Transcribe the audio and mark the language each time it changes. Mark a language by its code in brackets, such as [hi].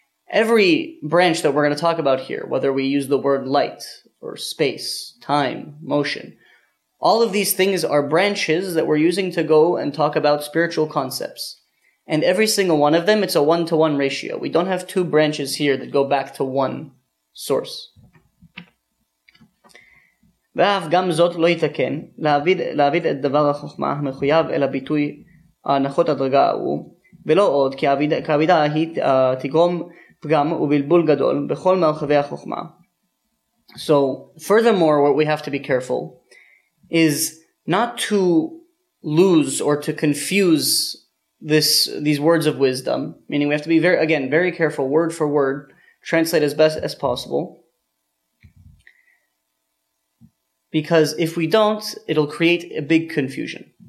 [en] Every branch that we're going to talk about here, whether we use the word light or space, time, motion, all of these things are branches that we're using to go and talk about spiritual concepts. And every single one of them, it's a one-to-one ratio. We don't have two branches here that go back to one source. [he] ואף גם זאת לא יתקן, להעביד את דבר החוכמה המחויב אל הביטוי הנחות הדרגה ההוא, ולא עוד, כי העבידה היא תגרום פגם ובלבול גדול בכל מרחבי החוכמה. [en] So furthermore, what we have to be careful is not to lose or to confuse these words of wisdom, meaning we have to be very careful word for word, translate as best as possible, because if we don't, it'll create a big confusion.